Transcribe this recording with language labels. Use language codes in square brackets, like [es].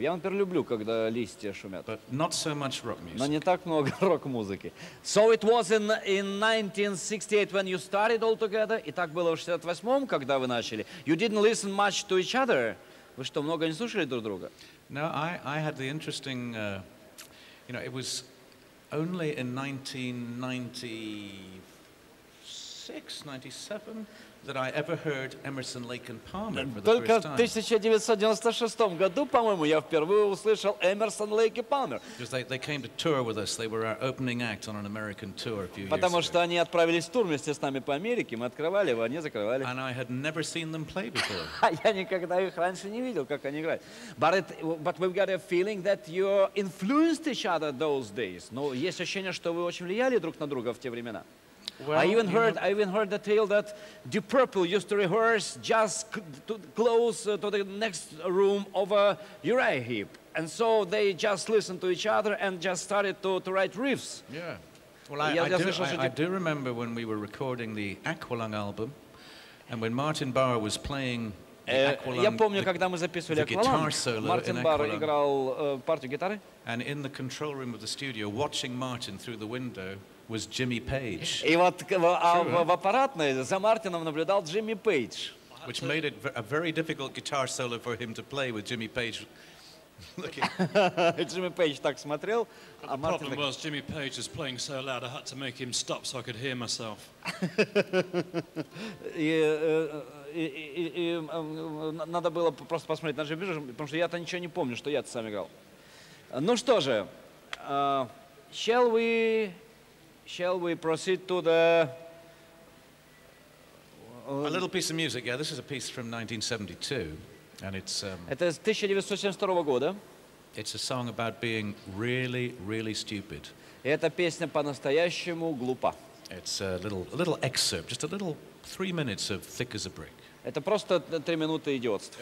[ru] Я, например, люблю, когда листья шумят. [en] But not so much rock music. [ru] Но не так много рок-музыки. [en] So it was in 1968 when you started all together. [ru] И так было в 68-м, когда вы начали. [en] You didn't listen much to each other. [ru] Вы что, много не слушали друг друга? [en] No, I had the interesting... you know, it was only in 1996, 97... that I ever heard Emerson, Lake and Palmer for the [ru] Только [en] first time. [ru] В 1996 году, по-моему, я впервые услышал Emerson, Lake and Palmer. [en] Because they came to tour with us. They were our opening act on an American tour a few years [ru] Потому [en] ago. [ru] Что они отправились в тур вместе с нами по Америке. Мы открывали его, они закрывали. [en] And I had never seen them play before. [ru] Я никогда их раньше не видел, как они играют. [en] But we've got a feeling that you influenced each other those days. [ru] Но есть ощущение, что вы очень влияли друг на друга в те времена. [en] Well, I even heard the tale that Deep Purple used to rehearse just close to the next room of Uriah Heep. And so they just listened to each other and just started to write riffs. Yeah. Well, I do remember when we were recording the Aqualung album and when Martin Barr was playing the Aqualung, [ru] я помню, когда мы записывали Aqualung, Martin Barr играл партию гитары. [en] And in the control room of the studio, watching Martin through the window, was Jimmy Page. [ru] И вот в аппаратной за Мартином наблюдал Джимми Пейдж. [en] Which made it a very difficult guitar solo for him to play with Jimmy Page. [ru] Джимми Пейдж так смотрел, а Мартин... [en] The problem was Jimmy Page was playing so loud I had to make him stop so I could hear myself. [ru] И надо было просто посмотреть на Джимми Пейджа, потому что я-то ничего не помню, что я-то сам играл. Ну что же, [en] Shall we proceed to the... A little piece of music, yeah. This is a piece from 1972, and it's... [ru] Это из 1972 года. [en] It's a song about being really, really stupid. [ru] Эта песня по-настоящему глупа. [en] It's a little excerpt, just a little 3 minutes of Thick as a Brick. [ru] Это просто 3 минуты идиотства.